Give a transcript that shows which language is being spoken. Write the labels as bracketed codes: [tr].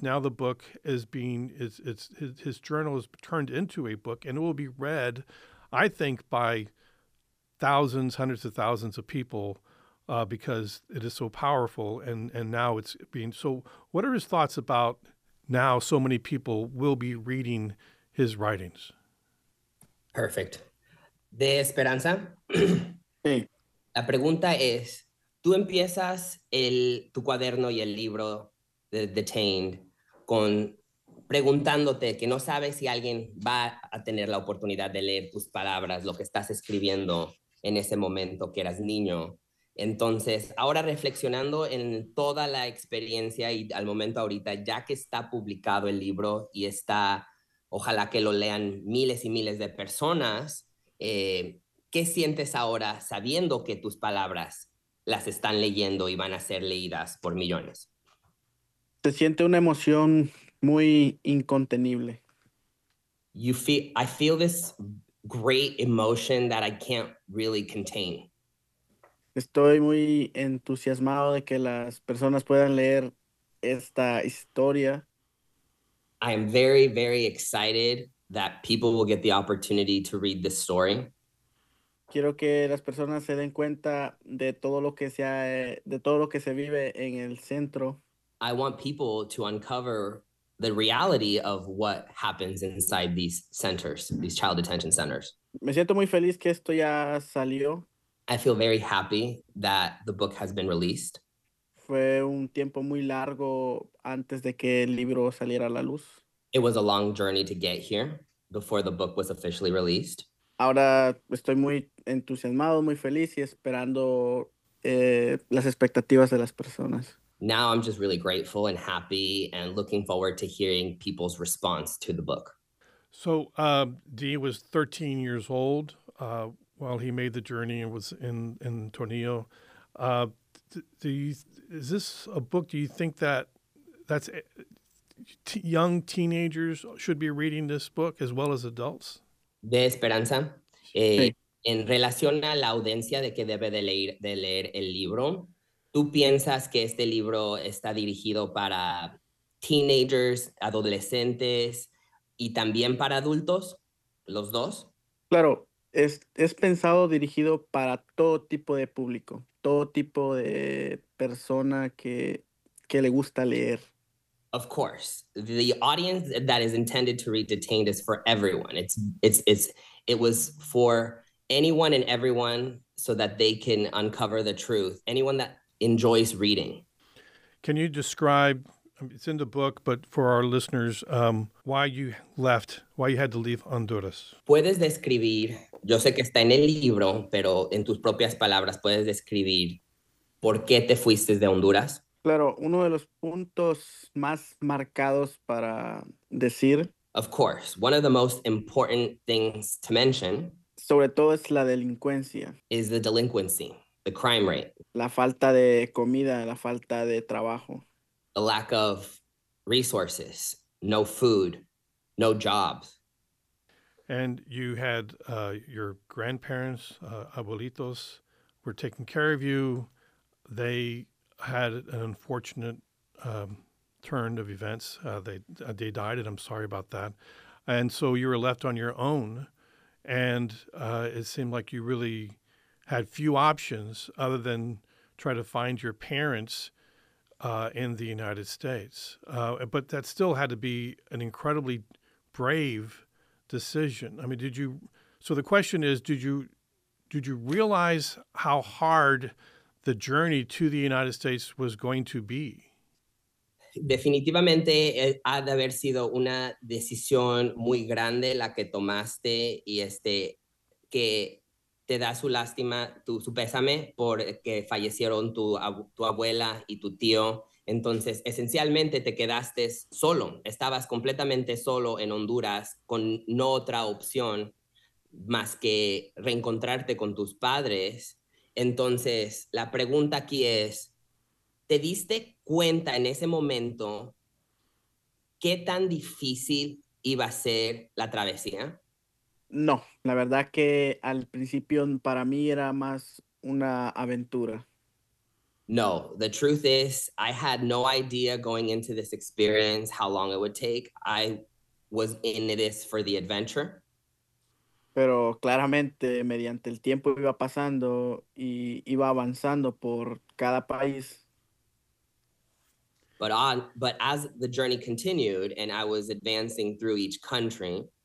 [en] Now the book his journal is turned into a book, and it will be read, I think, by thousands, hundreds of thousands of people. Because it is so powerful, and now it's being so. What are his thoughts about now so many people will be reading his writings? Perfect. De Esperanza. [es] Sí. La pregunta es, tú empiezas tu cuaderno y el libro de Detained con preguntándote que no sabes si alguien va a tener la oportunidad de leer tus palabras, lo que estás escribiendo en ese momento que eras niño. Entonces, ahora reflexionando en toda la experiencia y al momento ahorita, ya que está publicado el libro y está, ojalá que lo lean miles y miles de personas, ¿qué sientes ahora sabiendo que tus palabras las están leyendo y van a ser leídas por millones? Se siente una emoción muy incontenible. [en] I feel this great emotion that I can't really contain. [es] Estoy muy entusiasmado de que las personas puedan leer esta historia. [en] I am very, very excited that people will get the opportunity to read this story. [es] Quiero que las personas se den cuenta de todo lo que se vive en el centro. [en] I want people to uncover the reality of what happens inside these centers, these child detention centers. [es] Me siento muy feliz que esto ya salió. [en] I feel very happy that the book has been released. [es] Fue un tiempo muy largo antes de que el libro saliera a la luz. [en] It was a long journey to get here before the book was officially released. [es] Ahora estoy muy entusiasmado, muy feliz y esperando las expectativas de las personas. [en] Now I'm just really grateful and happy and looking forward to hearing people's response to the book. So Dee was 13 years old. While he made the journey and was in Tornillo. Is this a book, do you think that young teenagers should be reading this book as well as adults? [es] De Esperanza, en relación a la audiencia de que debe de leer el libro, ¿tú piensas que este libro está dirigido para teenagers, adolescentes y también para adultos, los dos? Claro. Es pensado dirigido para todo tipo de público, todo tipo de persona que le gusta leer. [en] Of course, the audience that is intended to read Detained is for everyone. It was for anyone and everyone so that they can uncover the truth, anyone that enjoys reading. Can you describe, it's in the book, but for our listeners, why you had to leave Honduras? [es] Puedes describir, yo sé que está en el libro, pero en tus propias palabras, puedes describir por qué te fuiste de Honduras? Claro, uno de los puntos más marcados para decir. [en] Of course, one of the most important things to mention. [es] Sobre todo es la delincuencia. [en] Is the delinquency, the crime rate. [es] La falta de comida, la falta de trabajo. [en] A lack of resources, no food, no jobs. And you had your grandparents, abuelitos, were taking care of you. They had an unfortunate turn of events. They died, and I'm sorry about that. And so you were left on your own. And it seemed like you really had few options other than try to find your parents in the United States. But that still had to be an incredibly brave decision. I mean, did you realize how hard the journey to the United States was going to be? [es] Definitivamente ha de haber sido una decisión muy grande la que tomaste y que te da su lástima, su pésame porque fallecieron tu abuela y tu tío. Entonces, esencialmente te quedaste solo, estabas completamente solo en Honduras con no otra opción más que reencontrarte con tus padres. Entonces, la pregunta aquí es, ¿te diste cuenta en ese momento qué tan difícil iba a ser la travesía? No, la verdad que al principio para mí era más una aventura. [en] No, the truth is, I had no idea going into this experience how long it would take. I was in this for the adventure. [es] Pero claramente, mediante el tiempo iba pasando y iba avanzando por cada país. [en] But as the journey continued and I was advancing through each country,